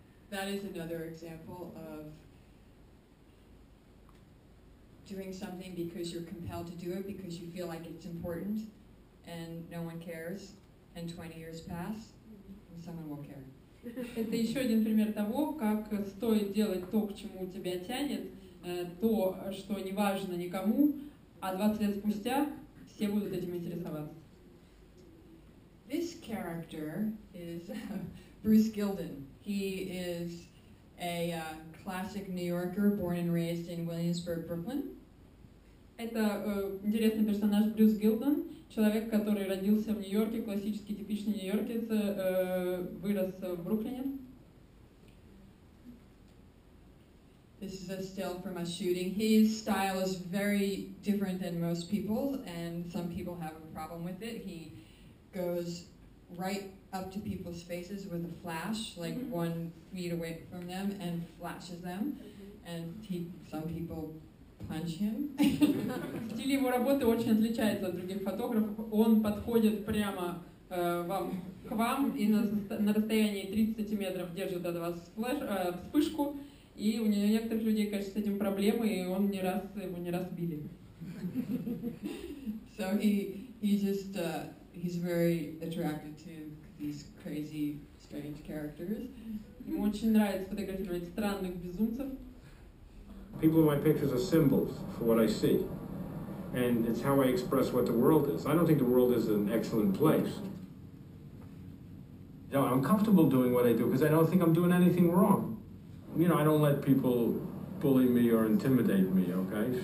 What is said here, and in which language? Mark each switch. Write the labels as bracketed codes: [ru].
[en] That is another example of doing something because you're compelled to do it, because you feel like it's important, and no one cares, and 20 years pass, and someone will care. [ru] Это еще один пример того, как стоит делать то, к чему тебя тянет, то, что не важно никому, а 20 лет спустя все будут этим интересоваться. [en] This character is Bruce Gilden. He is a classic New Yorker, born and raised in Williamsburg, Brooklyn. [ru] Это интересный персонаж Брюс Гилден, человек, который родился в Нью-Йорке, классический, типичный нью-йоркец, вырос в Бруклине. [en] This is a still from a shooting. His style is very different than most people, and some people have a problem with it. He goes right up to people's faces with a flash, like mm-hmm. 1 feet away from them, and flashes them, mm-hmm. and some people punch him. [ru] Стиль его работы очень отличается от других фотографов. Он подходит прямо к вам и на расстоянии 30 метров держит от вас вспышку. И у некоторых людей, конечно, с этим проблемы, и он не раз его не раз били. [en] So he's very attracted to these crazy, strange characters. [ru] Ему очень нравится фотографировать странных безумцев. [en] People in my pictures are symbols for what I see. And it's how I express what the world is. I don't think the world is an excellent place. You know, I'm comfortable doing what I do because I don't think I'm doing anything wrong. You know, I don't let people bully me or intimidate me, okay?